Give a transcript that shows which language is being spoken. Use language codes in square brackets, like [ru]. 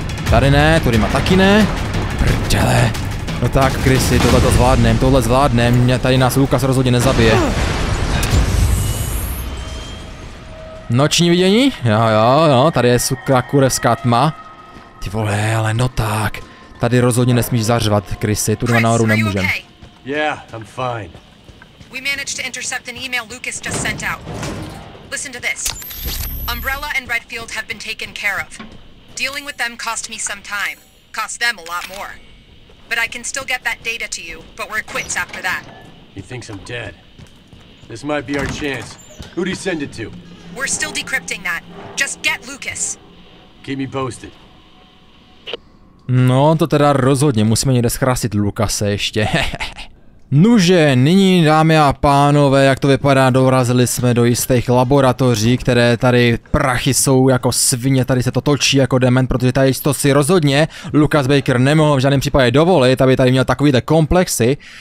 [cs] Tady ne, tady má taky ne. Prdele. No tak, Chrissy, tohle zvládnem, mě tady nás Lukas rozhodně nezabije. Noční vidění? Jo, tady je sukra kurevská tma. Ty vole, ale no tak, tady rozhodně nesmíš zařvat, Chrissy, tu nahoru nemůžem. [en] Yeah, I'm fine. We managed to intercept an email Lucas just sent out. Listen to this. Umbrella and Redfield have been taken care of. Dealing with them cost me some time. Cost them a lot more. But I can still get that data to you, but we're quits after that. He thinks I'm dead. This might be our chance. Who'd he send it to? We're still decrypting that. Just get Lucas. Keep me posted. [cs] No, to teda rozhodně, musíme někde schrásit Lukase ještě. Nuže, nyní dámy a pánové, jak to vypadá, dorazili jsme do jistých laboratoří, které tady prachy jsou jako svině, tady se to točí jako dement, protože tady to si rozhodně Lukas Baker nemohl v žádném případě dovolit, aby tady měl takovýhle komplexy.